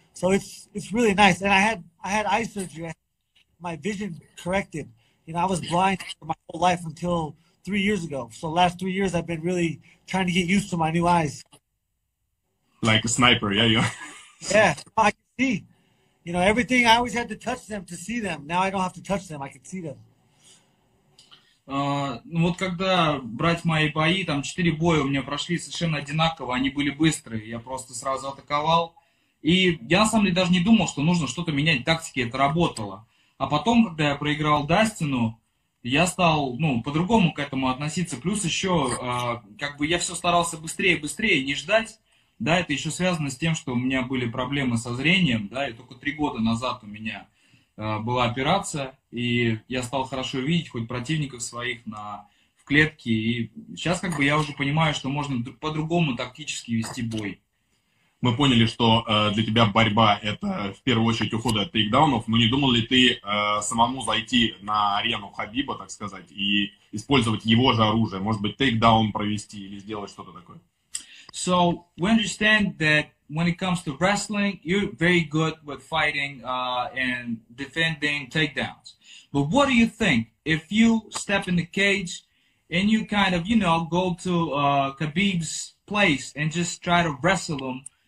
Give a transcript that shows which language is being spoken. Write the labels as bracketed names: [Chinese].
[English] So it's really nice. And I had eye surgery. I had my vision corrected. You know, I was blind for my whole life until 3 years ago. So the last 3 years, I've been really trying to get used to my new eyes. Like a sniper, yeah. Yeah, I can see. You know, everything, I always had to touch them to see them. Now I don't have to touch them. I can see them. [Russian] Ну вот когда брать мои бои, там 4 боя у меня прошли совершенно одинаково. Они были быстрые. Я просто сразу атаковал. И я, на самом деле, даже не думал, что нужно что-то менять. Тактики это работало. А потом, когда я проиграл Дастину, я стал, ну, по-другому к этому относиться. Плюс еще, как бы, я все старался быстрее и быстрее не ждать. Да, это еще связано с тем, что у меня были проблемы со зрением. Да, и только 3 года назад у меня была операция. И я стал хорошо видеть хоть противников своих в клетке. И сейчас, как бы, я уже понимаю, что можно по-другому тактически вести бой. Мы поняли, что для тебя борьба – это в первую очередь уходы от тейкдаунов, но не думал ли ты самому зайти на арену Хабиба, так сказать, и использовать его же оружие, может быть, тейкдаун провести или сделать что-то такое? [English] So, we understand that when it comes to wrestling, you're very good with fighting and defending takedowns. But what do you think if you step in the cage and you kind of, you know, go to Khabib's place and just try to wrestle him?